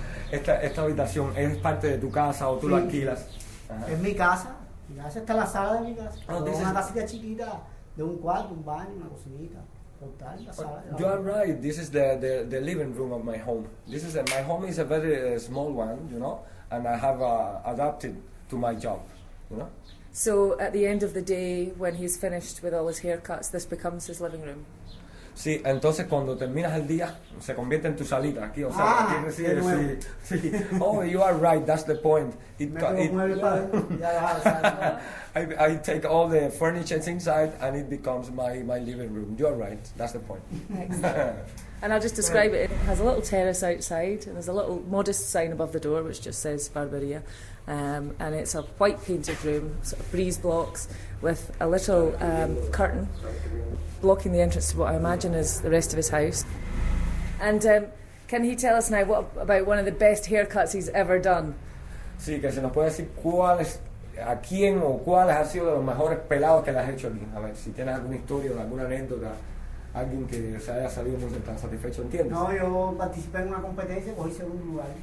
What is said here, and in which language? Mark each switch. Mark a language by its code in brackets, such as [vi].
[es] Esta habitación es parte de tu casa o tú la alquilas. Es mi casa. Mi casa está la sala de mi casa. Es una casita chiquita de un cuarto, un baño, una cocinita. [en] You are right, this is the living room of my home. This is my home is a very small one, you know, and I have adapted to my job, you know. So at the end of the day, when he's finished with all his haircuts, this becomes his living room? [es] Sí, entonces cuando terminas el día, se convierte en tu salita aquí, o sea, ah, aquí sí, de nuevo. Sí, sí. [en] Oh, you are right, that's the point. I take all the furniture inside and it becomes my living room. You are right, that's the point. And I'll just describe it. It has a little terrace outside and there's a little modest sign above the door which just says Barbaria. And it's a white painted room, sort of breeze blocks, with a little curtain blocking the entrance to what I imagine is the rest of his house. And can he tell us now what about one of the best haircuts he's ever done? [es] Sí, que se nos puede decir cuál es, a quién o cuál ha sido de los mejores pelados que le has hecho aquí. A ver, si tienes alguna historia o alguna anécdota, alguien que se haya salido muy tan satisfecho, ¿entiendes? No, yo participé en una competencia, cogí segundo lugar.